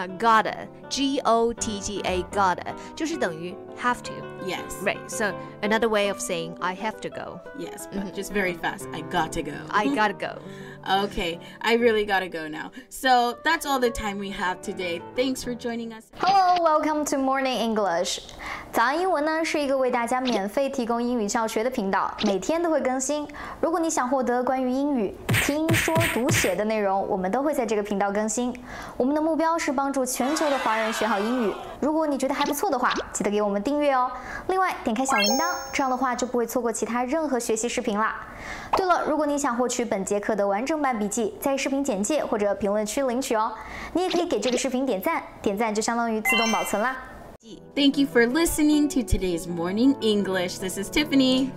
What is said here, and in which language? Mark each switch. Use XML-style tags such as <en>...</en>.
<en>Gotta. G-O-T-T-A. Gotta.</en> <zh>就是等于</zh> <en>have to. Yes. Right. So another way of saying I have to go. Yes. But、mm-hmm. just very fast. I gotta go. I gotta go. Okay. I really gotta go now. So that's all the time we have today. Thanks for joining us. Hello. Welcome to Morning English.</en> <zh>早安英文呢是一个为大家免费提供英语教学的频道，每天都会更新。如果你想获得关于英语听说读写的内容，我们都会在这个频道更新。我们的目标是帮助全球的华人学好英语。如果你觉得还不错的话，记得给我们订阅哦。另外点开小铃铛，这样的话就不会错过其他任何学习视频啦。对了，如果你想获取本节课的完整版笔记，在视频简介或者评论区领取哦。你也可以给这个视频点赞，点赞就相当于自动保存啦。</zh> <en>Thank you for listening to today's Morning English. This is Tiffany.</en>